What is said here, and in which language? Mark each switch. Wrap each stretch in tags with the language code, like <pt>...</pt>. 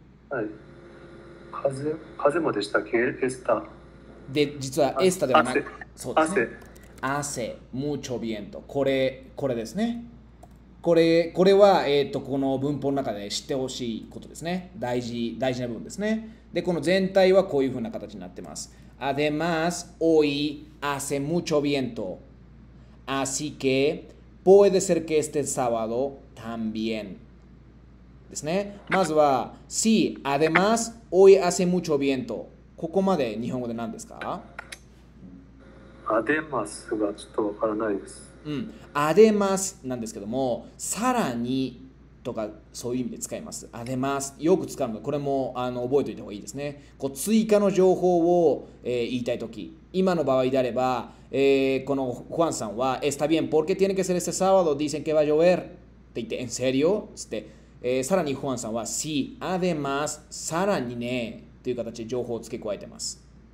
<ja>はい。風もでしたっけ？エスタ。で、実はエスタではなく、そうですね。汗。汗、ムチョビエント。これですね。これは、この文法の中で知ってほしいことですね。大事な部分ですね。で、この全体はこういうふうな形になってます。</ja> <es>Además, hoy hace mucho viento. Así que puede ser que este sábado también.</es> <ja>ですね。</ja> <es>まずは、Sí, además, hoy hace mucho viento.</es> <ja>ここまで日本語で何ですか？アデマスがちょっとわからないです。 Además なんですけども、さらにとかそういう意味で使います。 Además、よく使うので、これも覚えておいた方がいいですね。こう追加の情報を、言いたいとき。今の場合であれば、このフアンさんは、</ja> <es>Está bien, porque tiene que ser este sábado, dicen que va a llover.</es> <ja>って言って、En serio? つって、さらにフアンさんは、Sí, además, さらにね、という形で情報を付け加えてます。</ja>